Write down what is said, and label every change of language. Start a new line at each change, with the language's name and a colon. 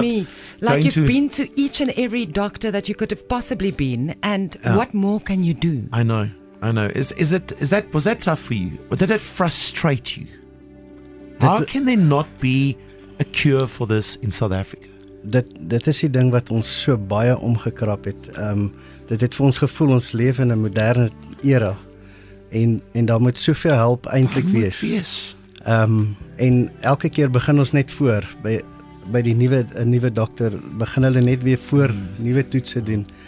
English: to me like you've been to each and every doctor that you could have possibly been, and what more can you do? I know. Was that tough for you? Or did that frustrate you? How can there not be a cure for this in South Africa?
Afrikaans: Dit is die ding wat ons so baie omgekrap het. Dit het vir ons gevoel ons leef in 'n moderne era. En daar moet soveel help eintlik wees. En elke keer begin ons net voor by die nuwe dokter, begin hulle net weer voor nuwe toetse doen.